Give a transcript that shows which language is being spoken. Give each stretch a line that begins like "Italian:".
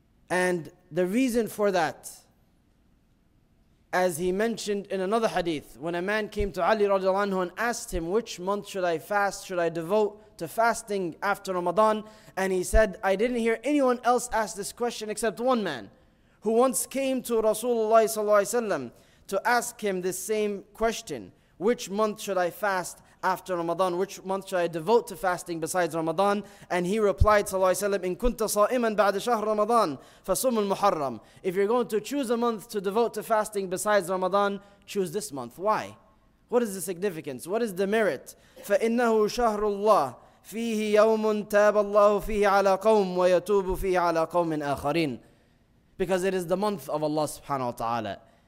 English: And the reason for that, as he mentioned in another hadith, when a man came to Ali radiallahu anhu and asked him, which month should I fast, should I devote to fasting after Ramadan? And he said, I didn't hear anyone else ask this question except one man who once came to Rasulullah sallallahu alayhi wa sallam to ask him this same question. Which month should I fast after Ramadan? Which month should I devote to fasting besides Ramadan? And he replied,
Arabic: sallallahu alayhi wa sallam, إِن كُنْتَ صَائِمًا بَعْدَ شَهْرَ رَمَضَانِ فَصُمُ الْمُحَرَّمِ.
English: If you're going to choose a month to devote to fasting besides Ramadan, choose this month. Why? What is the significance? What is the merit?
Arabic: فَإِنَّهُ شَهْرُ اللَّهِ فِيهِ يَوْمٌ تَابَ اللَّهُ فِيهِ عَلَىٰ قَوْمٍ وَيَتُوبُ فِيهِ عَلَىٰ قَوْمٍ آخَرِينَ.
English: Because it is the month of Allah subhanahu wa ta'ala.